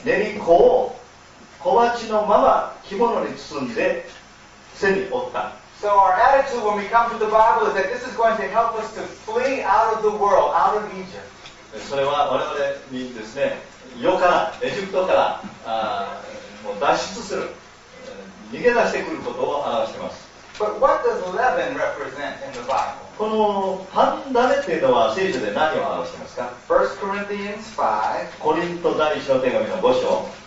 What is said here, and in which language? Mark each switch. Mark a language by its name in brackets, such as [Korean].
[Japanese] 練り粉を小鉢のまま着物に包んで背に折った。 [English] So our attitude when we come to the Bible is that this is going to help us to flee out of the world, out of Egypt. [Japanese] それは我々にですね、世からエジプトからもう脱出する、逃げ出してくることを表しています。 [English] But what does leaven represent in the Bible? [Japanese] このパン種っていうのは聖書で何を表していますか [English] ？First Corinthians 5. [Japanese] コリント第一の手紙の5章。